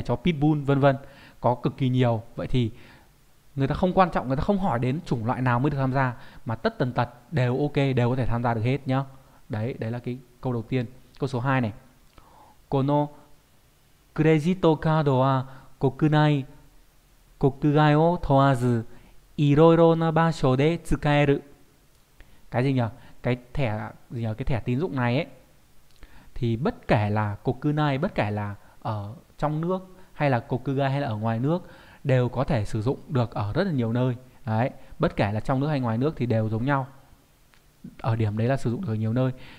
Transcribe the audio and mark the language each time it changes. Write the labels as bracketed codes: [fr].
[vi] Chó pitbull vân vân, có cực kỳ nhiều. Vậy thì người ta không quan trọng, người ta không hỏi đến chủng loại nào mới được tham gia, mà tất tần tật đều ok, đều có thể tham gia được hết nhá. Đấy, đấy là cái câu đầu tiên. Câu số 2 này. [ja] このクレジットカードは国内、国外を問わず、いろいろな場所で使える。 [vi] Cái gì nhỉ? Cái thẻ tín dụng này ấy, thì bất kể là cục cư này, bất kể là ở trong nước hay là cục cư gai hay là ở ngoài nước, đều có thể sử dụng được ở rất là nhiều nơi đấy. Bất kể là trong nước hay ngoài nước thì đều giống nhau ở điểm đấy, là sử dụng được ở nhiều nơi.